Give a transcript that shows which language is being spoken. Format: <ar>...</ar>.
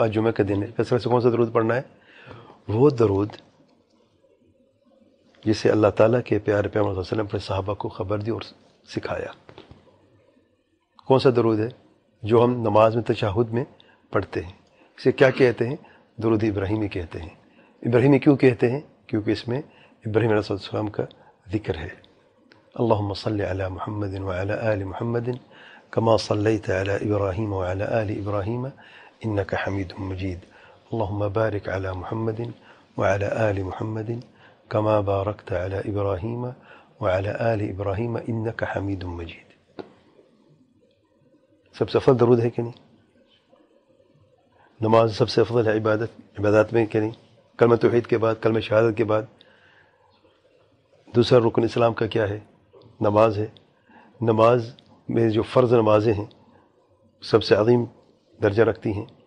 <ur>آج جمعہ کے دن ہے, پھر سے کون سا درود پڑھنا ہے؟ وہ درود جسے اللہ تعالیٰ کے پیارے پیغمبر صلی اللہ علیہ وسلم اپنے صحابہ کو خبر دی اور سکھایا. کون سا درود ہے؟ جو ہم نماز میں تشہد میں پڑھتے ہیں. اسے کیا کہتے ہیں؟ درود ابراہیمی کہتے ہیں. ابراہیمی کیوں کہتے ہیں؟ کیونکہ اس میں ابراہیم علیہ السلام کا ذکر ہے.</ur> <ar>اللهم صل على محمد وعلى آل محمد كما صليت على إبراهيم وعلى آل إبراهيم إنك حميد مجيد. اللهم بارك على محمد وعلى آل محمد كما باركت على إبراهيم وعلى آل إبراهيم إنك حميد مجيد.</ar> <ur>سب سے افضل درود ہے کہ نماز سب سے افضل ہے عبادت, عبادات میں کہ نہیں؟ کلمہ توحید کے بعد, کلمہ شہادت کے بعد دوسرا رکن اسلام کا کیا ہے؟ نماز ہے. نماز میں جو فرض نمازیں ہیں سب سے عظیم درجہ رکھتی ہیں.</ur>